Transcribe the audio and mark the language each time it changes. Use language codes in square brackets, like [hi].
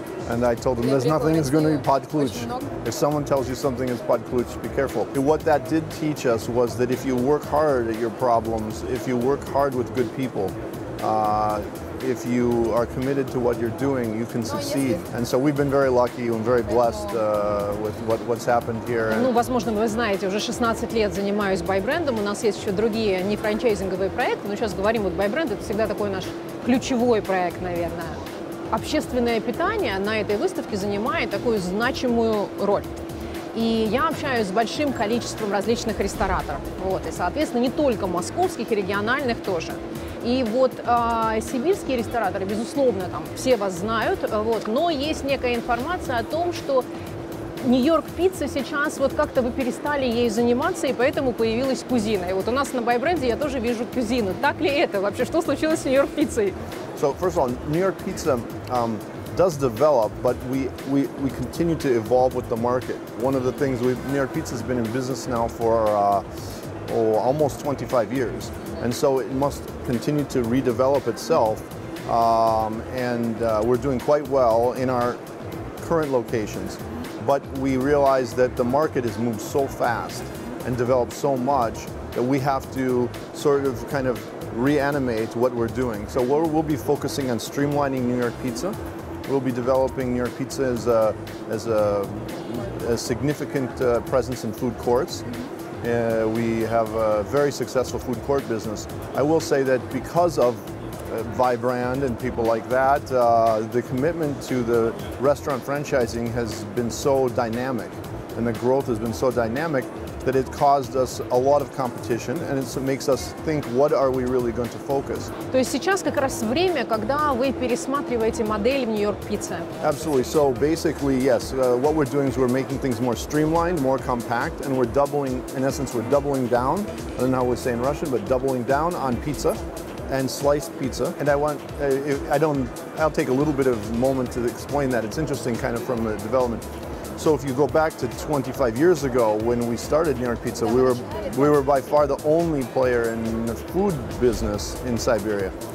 [en] And I told them, there's nothing that's going to be podkluch. If someone tells you something is podkluch, be careful. And what that did teach us was that if you work hard at your problems, if you work hard with good people, if you are committed to what you're doing, you can succeed. And so we've been very lucky and very blessed with what's happened here. [ru] Ну, возможно, вы знаете, уже 16 лет занимаюсь Vibrand. У нас есть еще другие не франчайзинговые проекты, но сейчас говорим вот Vibrand. Это всегда такой наш ключевой проект, наверное. Общественное питание на этой выставке занимает такую значимую роль. И я общаюсь с большим количеством различных рестораторов. Вот, и, соответственно, не только московских, и региональных тоже. И вот сибирские рестораторы, безусловно, там все вас знают, вот, но есть некая информация о том, что Нью-Йорк пицца сейчас вот как-то вы перестали ей заниматься, и поэтому появилась кузина. И вот у нас на Vibrand я тоже вижу кузину. Так ли это вообще? Что случилось с Нью-Йорк пиццей? [en] So first of all, New York Pizza does develop, but we continue to evolve with the market. One of the things New York Pizza has been in business now for almost 25 years, and so it must continue to redevelop itself. We're doing quite well in our current locations, but we realize that the market has moved so fast and developed so much that we have to sort of kind of reanimate what we're doing. So we'll be focusing on streamlining New York Pizza. We'll be developing New York Pizza as a significant presence in food courts. We have a very successful food court business. I will say that because of Vibrand and people like that, the commitment to the restaurant franchising has been so dynamic, and the growth has been so dynamic that it caused us a lot of competition, and it makes us think, what are we really going to focus? [ru] То есть сейчас как раз время, когда вы пересматриваете модель в Нью-Йорк пицце. [en] Absolutely. So basically, yes. What we're doing is we're making things more streamlined, more compact, and we're doubling, in essence, we're doubling down. I don't know how we say in Russian, but doubling down on pizza and sliced pizza. And I'll take a little bit of moment to explain that. It's interesting, kind of from the development. So if you go back to 25 years ago when we started New York Pizza, we were by far the only player in the food business in Siberia.